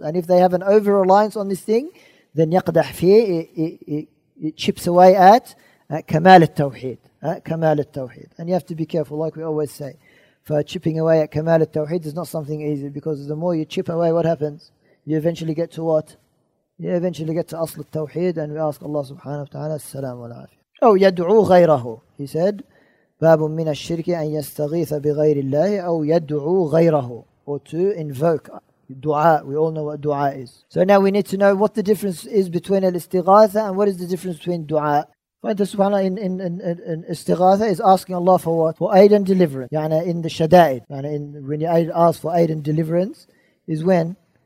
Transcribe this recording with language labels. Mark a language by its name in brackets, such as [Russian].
[English] And if they have an over-reliance on this thing, then [Arabic] يَقْدَحْ فِيهِ, [English] it chips away at [Arabic] كَمَالِ التَّوْحِيد. كَمَالِ التَّوْحِيد. [English] And you have to be careful, like we always say. For chipping away at [Arabic] كَمَالِ التَّوْحِيد [English] is not something easy, because the more you chip away, what happens? You eventually get to what? You eventually get to [Arabic] أصل التوحيد, [English] and we ask Allah subhanahu wa ta'ala [Arabic] السلام والعافية. أو يدعو غيره. [English] He said, [Arabic] باب من الشرك أن يستغيث بغير الله أو يدعو غيره. [English] Or to invoke. Dua, we all know what dua is. So now we need to know what the difference is between al-istighatha and what is the difference between dua. Find the subhanAllah in istighatha is asking Allah for what? For aid and deliverance. Yani in the shada'id. Yani in, when you ask for aid and deliverance is when?